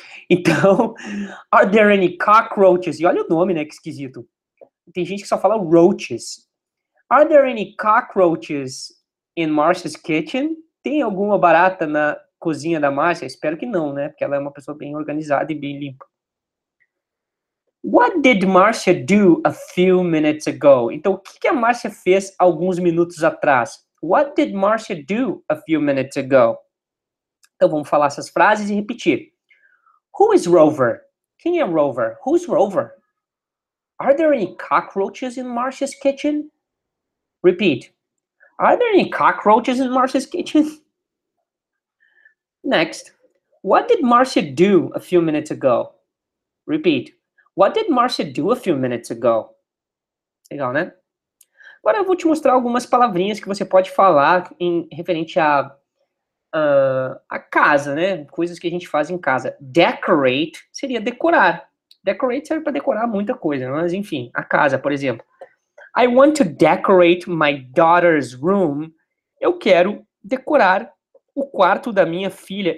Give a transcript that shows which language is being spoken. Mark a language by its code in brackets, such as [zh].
[pt] Então, [en] are there any cockroaches? [pt] E olha o nome, né, que esquisito. Tem gente que só fala [en] roaches. Are there any cockroaches in Marcia's kitchen? [pt] Tem alguma barata na cozinha da Marcia? Espero que não, né? Porque ela é uma pessoa bem organizada e bem limpa. [en] What did Marcia do a few minutes ago? [pt] Então, o que a Marcia fez alguns minutos atrás? [en] What did Marcia do a few minutes ago? [pt] Então, vamos falar essas frases e repetir. [en] Who is Rover? [pt] Quem é Rover? [en] Who's Rover? Are there any cockroaches in Marcia's kitchen? Repeat. Are there any cockroaches in Marcia's kitchen? Next. What did Marcia do a few minutes ago? Repeat. What did Marcia do a few minutes ago? [pt] Legal, né? Agora eu vou te mostrar algumas palavrinhas que você pode falar em referente a casa, né? Coisas que a gente faz em casa. Decorate seria decorar. Decorate serve para decorar muita coisa, mas enfim, a casa, por exemplo. [en] I want to decorate my daughter's room. [pt] Eu quero decorar o quarto da minha filha.